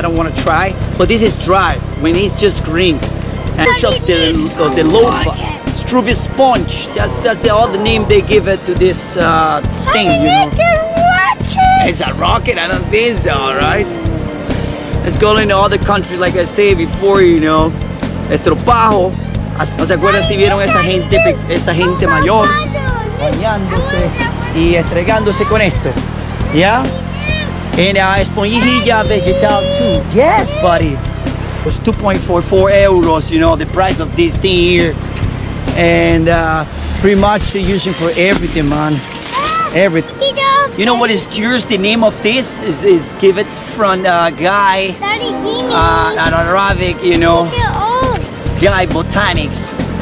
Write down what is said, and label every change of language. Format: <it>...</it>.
<en>I don't want to try, but this is dry when it's just green. And just the loaf, Struvi sponge. That's all the name they give it to this thing, you know? It's a rocket, I don't think so, all right? It's going to other countries, like I said before, you know.</en> <es>Estropajo. ¿No se acuerdan si vieron esa gente mayor bañándose y estregándose con esto?</es> <en>Yeah? And esponjilla vegetal too. Yes, buddy. It was 2.44 euros, you know, the price of this thing here. And pretty much they're using for everything, man. Everything. You know what is curious? The name of this is give it from a guy, an Arabic, you know, guy, botanics.</en>